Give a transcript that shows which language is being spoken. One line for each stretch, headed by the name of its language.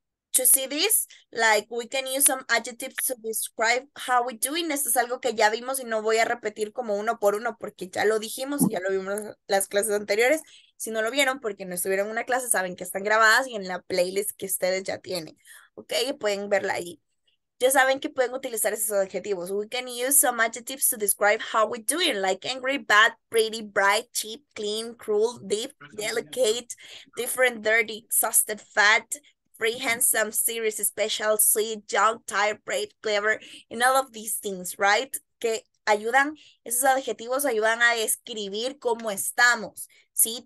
English: Just to see this, like we can use some adjectives to describe how we're doing.
Spanish: Esto es algo que ya vimos y no voy a repetir como uno por uno porque ya lo dijimos y ya lo vimos las clases anteriores. Si no lo vieron porque no estuvieron en una clase, saben que están grabadas y en la playlist que ustedes ya tienen. Okay, pueden verla allí. Ya saben que pueden utilizar esos adjetivos.
English: We can use some adjectives to describe how we're doing, like angry, bad, pretty, bright, cheap, clean, cruel, deep, delicate, different, dirty, exhausted, fat, free, handsome, serious, special, sweet, young, tired, brave, clever, and all of these things, right?
Spanish: Que ayudan, esos adjetivos ayudan a describir cómo estamos, ¿sí?